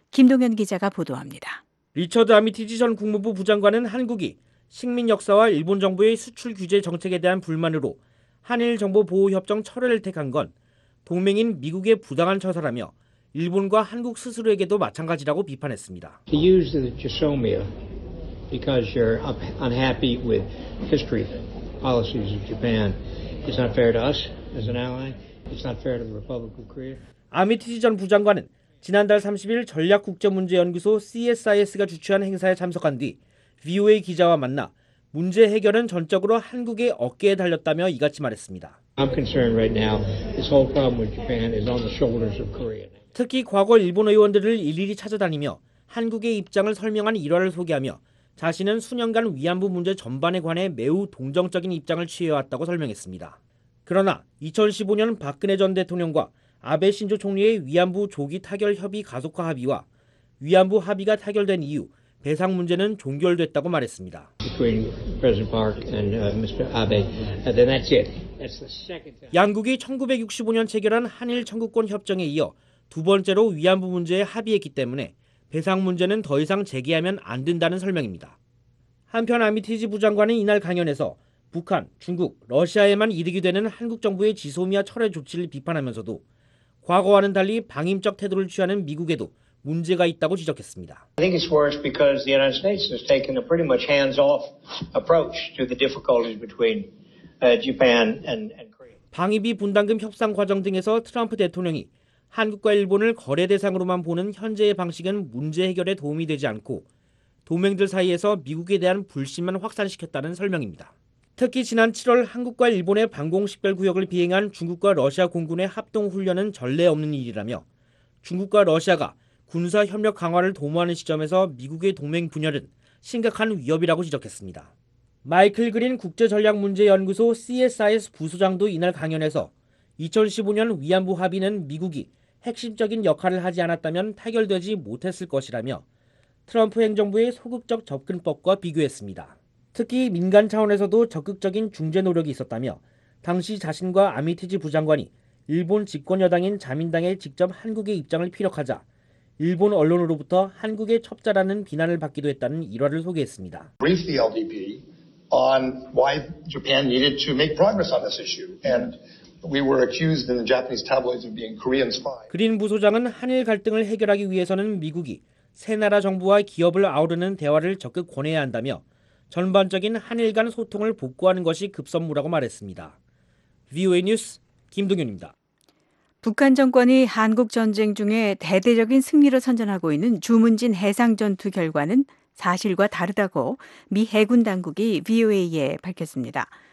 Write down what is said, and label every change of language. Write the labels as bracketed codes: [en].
[ko] 김동현 기자가 보도합니다. 리처드 아미티지 전 국무부 부장관은 한국이 식민 역사와 일본 정부의 수출 규제 정책에 대한 불만으로 한일 정보 보호 협정 철회를 택한 건 동맹인 미국의 부당한 처사라며 일본과 한국 스스로에게도 마찬가지라고 비판했습니다. [en] To use the Josomia because you're unhappy with history policies of Japan is not fair to us as an ally. It's not fair to the Republic of Korea. [ko] 아미티지 전 부장관은 지난달 30일 전략국제문제연구소 CSIS가 주최한 행사에 참석한 뒤 VOA 기자와 만나 문제 해결은 전적으로 한국의 어깨에 달렸다며 이같이 말했습니다. [en] I'm concerned right now. This whole problem with Japan is on the shoulders of Korea. [ko] 특히 과거 일본 의원들을 일일이 찾아다니며 한국의 입장을 설명한 일화를 소개하며 자신은 수년간 위안부 문제 전반에 관해 매우 동정적인 입장을 취해왔다고 설명했습니다. 그러나 2015년 박근혜 전 대통령과 아베 신조 총리의 위안부 조기 타결 협의 가속화 합의와 위안부 합의가 타결된 이후 배상 문제는 종결됐다고 말했습니다. [en] Between President Park and Mr. Abe, then that's it. That's the second. [ko] 양국이 1965년 체결한 한일 청구권 협정에 이어 두 번째로 위안부 문제에 합의했기 때문에 배상 문제는 더 이상 제기하면 안 된다는 설명입니다. 한편 아미티지 부장관은 이날 강연에서 북한, 중국, 러시아에만 이득이 되는 한국 정부의 지소미아 철회 조치를 비판하면서도 과거와는 달리 방임적 태도를 취하는 미국에도 문제가 있다고 지적했습니다. [en] I think it's worse because the United States has taken a pretty much hands-off approach to the difficulties between Japan and Korea. [ko] 방위비 분담금 협상 과정 등에서 트럼프 대통령이 한국과 일본을 거래 대상으로만 보는 현재의 방식은 문제 해결에 도움이 되지 않고 동맹들 사이에서 미국에 대한 불신만 확산시켰다는 설명입니다. 특히 지난 7월 한국과 일본의 방공식별구역을 비행한 중국과 러시아 공군의 합동훈련은 전례 없는 일이라며 중국과 러시아가 군사협력 강화를 도모하는 시점에서 미국의 동맹 분열은 심각한 위협이라고 지적했습니다. 마이클 그린 국제전략문제연구소 CSIS 부소장도 이날 강연에서 2015년 위안부 합의는 미국이 핵심적인 역할을 하지 않았다면 타결되지 못했을 것이라며 트럼프 행정부의 소극적 접근법과 비교했습니다. 특히 민간 차원에서도 적극적인 중재 노력이 있었다며 당시 자신과 아미티지 부장관이 일본 집권 여당인 자민당에 직접 한국의 입장을 피력하자 일본 언론으로부터 한국의 첩자라는 비난을 받기도 했다는 일화를 소개했습니다. [en] Brief the LDP on why Japan needed to make progress on this issue and we were accused in the Japanese tabloids of being Korean spy. [ko] 그린 부소장은 한일 갈등을 해결하기 위해서는 미국이 세 나라 정부와 기업을 아우르는 대화를 적극 권해야 한다며 전반적인 한일 간 소통을 복구하는 것이 급선무라고 말했습니다. VOA 뉴스 김동현입니다. 북한 정권이 한국 전쟁 중에 대대적인 승리로 선전하고 있는 주문진 해상 전투 결과는 사실과 다르다고 미 해군 당국이 VOA에 밝혔습니다.